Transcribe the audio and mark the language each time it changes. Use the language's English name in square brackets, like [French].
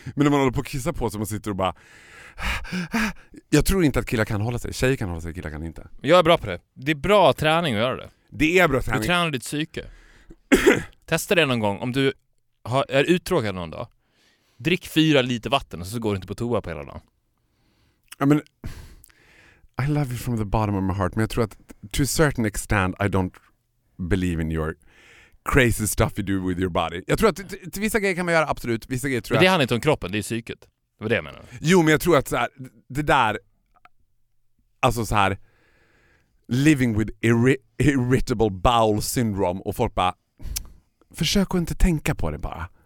[Swedish] Men när man håller på att kissa på sig, man sitter och bara... Jag tror inte att killar kan hålla sig. Tjejer kan hålla sig. Killar kan inte. Jag är bra på det. Det är bra träning att göra det. Det är bra träning. Du tränar ditt psyke. Testa det någon gång. Om du är uttråkad någon dag, drick 4 liter vatten och så går du inte på toa på hela dagen. [English] I mean, I love you from the bottom of my heart, [Swedish] men jag tror att [English] to a certain extent I don't believe in your crazy stuff you do with your body. [Swedish] Jag tror att till vissa grejer kan man göra, absolut. Vissa grejer tror jag. Men det handlar inte om kroppen, det är psyket. Det var det jag menade. Jo, men jag tror att så här, det där, alltså så här, [English] living with irritable bowel syndrome, [Swedish] och folk bara, försök att inte tänka på det bara.